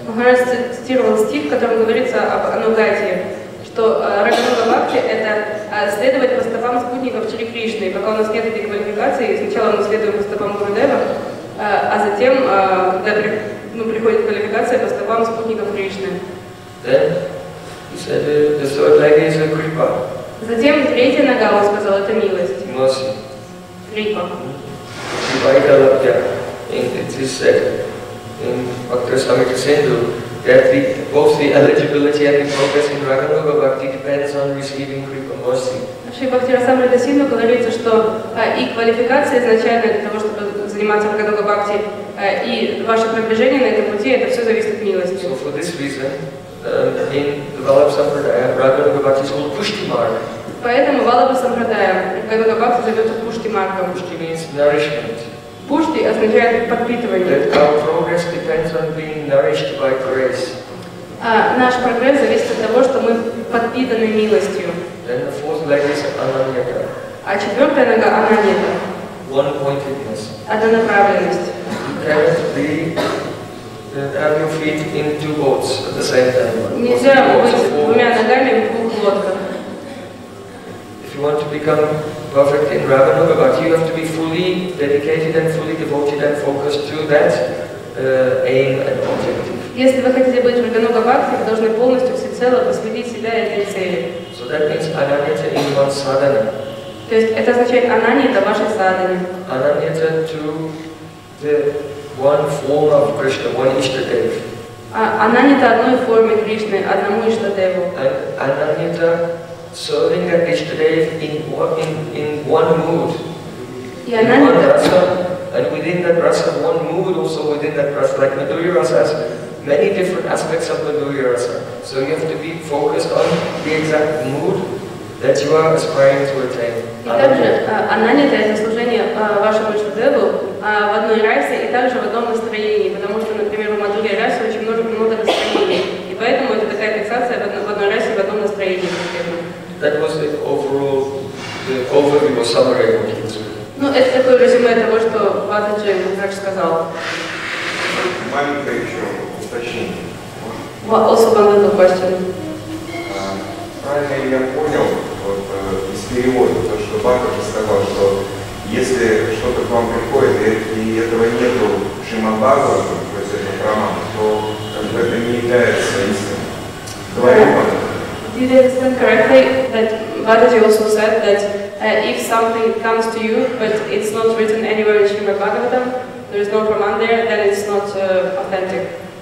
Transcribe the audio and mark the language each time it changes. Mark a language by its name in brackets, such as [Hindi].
[Russian] Maharaj цитировал стих, в котором говорится об анугатии, что Рагануга Бхакти – это следовать по стопам спутников Шри Кришны. Пока у нас нет этой квалификации, сначала мы следуем по стопам Гурудева, а затем, когда приходит квалификация, по стопам спутников Кришны. [English] Then he said the third leg is a kripa. [Russian] Затем третья нога, он сказал, это милость. [English] Mercy. Vaidalabhya. It is said in Bhakti Samhita Sindhu that both the eligibility and the progress in Rāganuga Bhakti depends on receiving Kripa mercy. [Russian] Shri Bhakti Samhita Sindhu говорится, что и квалификация изначально для того, чтобы заниматься Рагануга Бхакти, и ваше продвижение на этом пути, это все зависит от милости. [English] So for this reason, in the Vallabh Sampradaya, Rāganuga Bhakti is called Pushtimar. [Russian] Поэтому Валлабха Сампрадая, Рагануга Бхакти зовется Пушти Маргом. [English] Пушти means nourishment. [Russian] Пушти означает подпитывание. [English] That our progress depends on being nourished by grace. [Russian] Наш прогресс зависит от того, что мы подпитаны милостью. [English] Then the fourth leg is ананьята. [Russian] А четвертая нога ананьята. [English] One-pointedness. [Russian] Однонаправленность. [English] You cannot be have your feet in two boats at the same time. [Russian] Нельзя быть двумя ногами в двух лодках. [English] If you want to become perfect in Rāganuga Bhakti, you have to be fully dedicated and fully devoted and focused to that aim and objective. [Russian] Если вы хотите быть в Рагануга Бхакти, вы должны полностью всецело посвятить себя этой цели. [English] So that means ананьята in one sadhana. [Russian] То есть это означает ананьята в вашей садхане. [English] Ананьята to the one form of Krishna, one Ishtadev. [Russian] Ананьята одной форме Кришны, одному Ishtadevu. [English] Ананьята serving that Ishtadev in one mood, yeah, in one rasa, and within that rasa, one mood also within that rasa, like Madhurya rasa has many different aspects of Madhurya rasa. So you have to be focused on the exact mood that you are aspiring to attain. [Russian] И также ананьята это служение вашему Ishtadevu в одной расе и также в одном настроении, потому что, например, у Madhurya rasa очень много настроений, и поэтому это такая фиксация в одной расе и в одном настроении. [English] That was the overall, the overview or summary of the Kinsman. [Russian] Ну, это такое резюме того, что Бхатаджи Махарадж сказал. Маленькое еще уточнение. [English] Also one little question. [Russian] Правильно ли я понял вот, из перевода, то, что Бхатаджи сказал, что если что-то к вам приходит, и этого нету Шримад-Бхагава, то есть это Брахман, то как бы это не является истиной. Говорю вам. [English] Did I understand correctly that Vataji also said that if something comes to you but it's not written anywhere in Srimad Bhagavatam, there is no Praman there, then it's not authentic?